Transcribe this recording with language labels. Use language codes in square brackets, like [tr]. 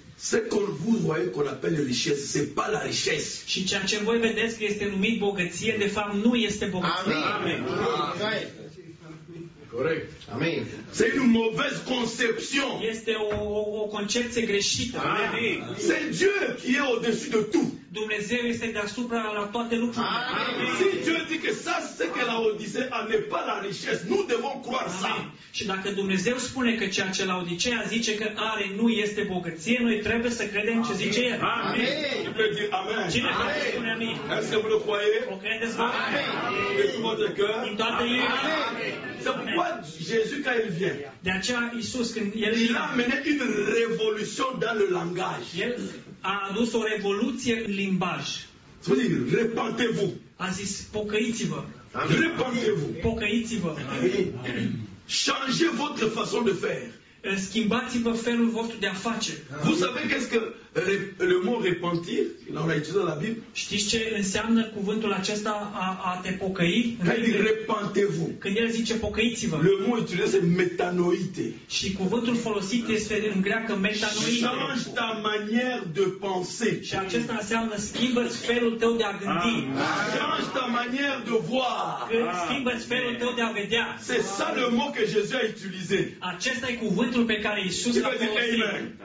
[fr] Ce que vous voyez qu'on appelle richesse, c'est pas la richesse. [ro] Și ceea ce voi vedeți că este numit bogăție, de fapt nu este bogăție. Amen. Amen. [fr] Corect. Amen. C'est une mauvaise conception. [ro] Este o concepție greșită. Amen. [fr] C'est Dieu qui est au-dessus de tout. [ro] Dumnezeu este deasupra la toate lucrurile. Amen. [fr] Si Dieu dit que ça c'est que la Odisea n'est pas la richesse, nous devons croire ça. [ro] Și dacă Dumnezeu spune că ceea ce la Odisea zice că are nu este bogăție, noi trebuie să credem ce zice el. Amen. Cine poate spune amin? [fr] Est-ce que vous le croyez? [ro] O credeți voi? [fr] Amen. De tout votre cœur. [ro] Din toată inima. [fr] Amen. C'est pourquoi Jésus quand il vient. [ro] De aceea Iisus când el [fr] vine. Il a amené une révolution dans le langage. [ro] A adus o revoluție în limbaj. Să zic, repentez-vous. A zis, pocăiți-vă. [fr] Repentez-vous. [ro] Pocăiți-vă. [fr] Changez votre façon de faire. [ro] Schimbați-vă felul vostru de a face. [fr] Vous savez qu'est-ce que le mot repentir, l'on a utilisé dans la Bible? [ro] Știți ce înseamnă cuvântul acesta a te pocăi? Când zic, repentez-vous. Când el zice pocăiți-vă. [fr] Le mot utilisé c'est metanoite. [ro] Și cuvântul folosit este în greacă metanoite. [fr] Change ta manière de penser. [ro] Și acesta înseamnă schimbă-ți felul tău de a gândi. [fr] Change ta manière de voir. [ro] Schimbă-ți felul tău de a vedea. [fr] C'est ça le mot que Jésus a utilisé. [ro] Acesta e cuvântul pe care Iisus l-a folosit.